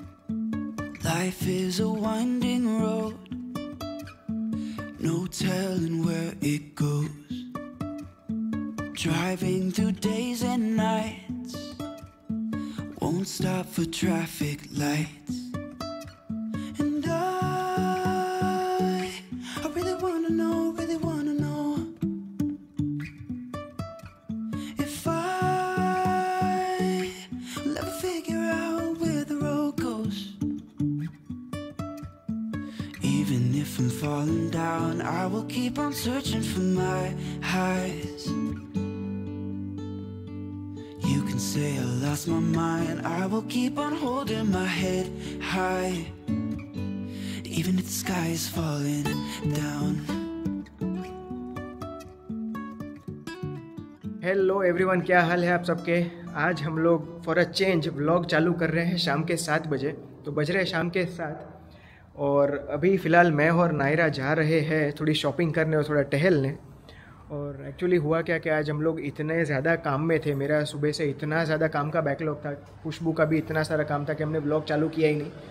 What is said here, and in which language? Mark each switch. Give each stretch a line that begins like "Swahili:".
English: Life is a winding road, no telling where it goes. Driving through days and nights, won't stop for traffic lights. And I really wanna know, really wanna know if I'll ever figure out where the road goes. Even if I'm falling down, I will keep on searching for my highs. You can say I lost my mind, I will keep on holding my head high, even if the sky is falling down.
Hindi: Hello everyone, क्या हाल है आप सबके। आज हम लोग for a change vlog चालू कर रहे हैं शाम के 7 बजे, तो बज रहे हैं शाम के 7। और अभी फ़िलहाल मैं और नायरा जा रहे हैं थोड़ी शॉपिंग करने और थोड़ा टहलने। और एक्चुअली हुआ क्या कि आज हम लोग इतने ज़्यादा काम में थे, मेरा सुबह से इतना ज़्यादा काम का बैकलॉग था, खुशबू का भी इतना सारा काम था कि हमने व्लॉग चालू किया ही नहीं।